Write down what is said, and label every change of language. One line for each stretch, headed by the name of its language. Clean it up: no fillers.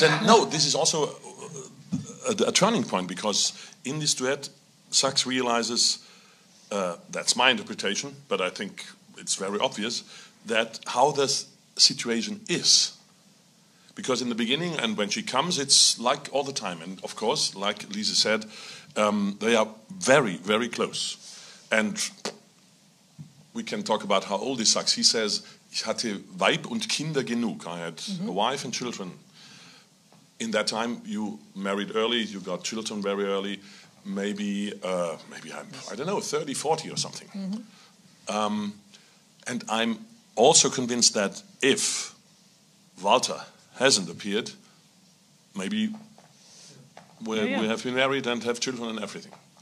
English: And no, this is also a turning point, because in this duet, Sachs realizes, that's my interpretation, but I think it's very obvious, that how this situation is. Because in the beginning, and when she comes, it's like all the time. And of course, like Lise said, they are very, very close. And we can talk about how old is Sachs. He says,
German: "Ich hatte Weib und Kinder genug."
English: I had a wife and children. In that time, you married early, you got children very early. Maybe, I don't know, 30, 40 or something. Mm-hmm. And I'm also convinced that if Walter hasn't appeared, maybe we have been married and have children and everything.